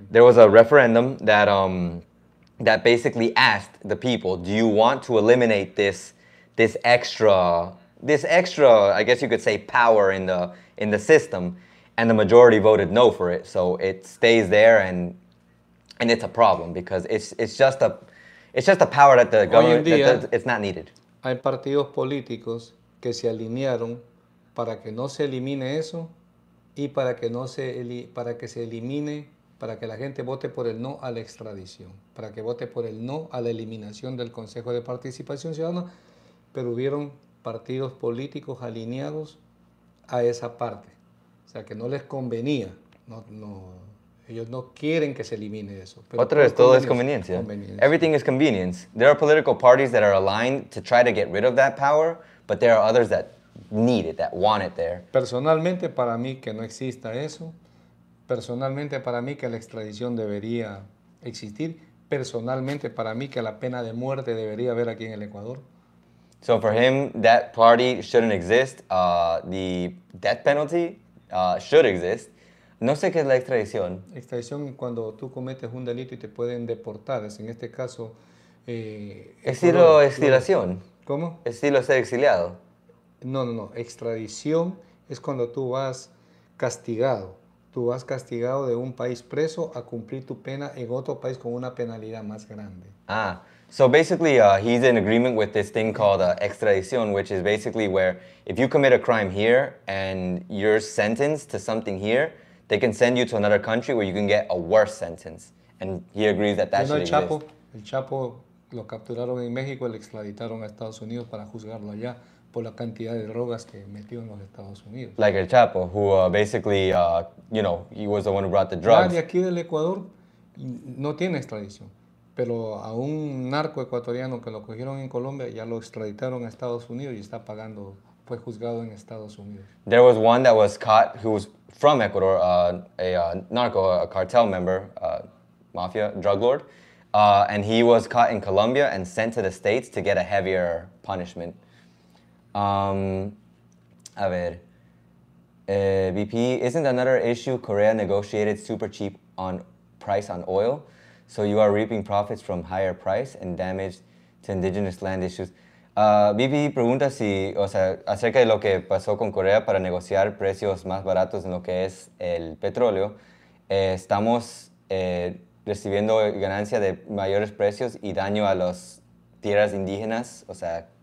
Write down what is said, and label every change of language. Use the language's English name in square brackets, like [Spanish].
[English] There was a referendum that that basically asked the people, do you want to eliminate this extra, I guess you could say, power in the system? And the majority voted no for it. So it stays there and it's a problem because it's just a power that the government, [Spanish] hoy en día, [English] that it's not needed. [Spanish] Hay partidos políticos que se alinearon para que no se elimine eso y para que no se elimine, para que la gente vote por el no a la extradición, para que vote por el no a la eliminación del Consejo de Participación Ciudadana, pero hubieron partidos políticos alineados a esa parte. O sea, que no les convenía. No, ellos no quieren que se elimine eso. Pero otra vez, todo es conveniencia. [English] Everything is convenience. There are political parties that are aligned to try to get rid of that power, but there are others that need it, that want it there. [Spanish] Personalmente, para mí, que no exista eso. Personalmente, para mí, que la extradición debería existir. Personalmente, para mí, que la pena de muerte debería haber aquí en el Ecuador. [English] So for him, that party shouldn't exist. The death penalty should exist. [Spanish] No sé qué es la extradición. Extradición cuando tú cometes un delito y te pueden deportar. Es en este caso... Estilo exilación. ¿Cómo? Estilo ser exiliado. No. Extradición es cuando tú vas castigado. Tú vas castigado de un país preso a cumplir tu pena en otro país con una penalidad más grande. [English] Ah, so basically he's in agreement with this thing called extradición, which is basically where if you commit a crime here and you're sentenced to something here, they can send you to another country where you can get a worse sentence. And he agrees that that should exist. [Spanish] El Chapo lo capturaron en México, lo extraditaron a Estados Unidos para juzgarlo allá por la cantidad de drogas que metió en los Estados Unidos. [English] Like El Chapo, who basically, you know, he was the one who brought the drugs. [Spanish] Nadie aquí del Ecuador no tiene extradición, pero a un narco ecuatoriano que lo cogieron en Colombia ya lo extraditaron a Estados Unidos y está pagando, fue juzgado en Estados Unidos. [English] There was one that was caught, who was from Ecuador, narco, a cartel member, mafia, drug lord, and he was caught in Colombia and sent to the States to get a heavier punishment. [Spanish] A ver, [English] BP, isn't another issue Korea negotiated super cheap on price on oil? So you are reaping profits from higher price and damage to indigenous land issues. [Spanish] BP pregunta si, o sea, acerca de lo que pasó con Corea para negociar precios más baratos en lo que es el petróleo. Estamos recibiendo ganancia de mayores precios y daño a las tierras indígenas, o sea,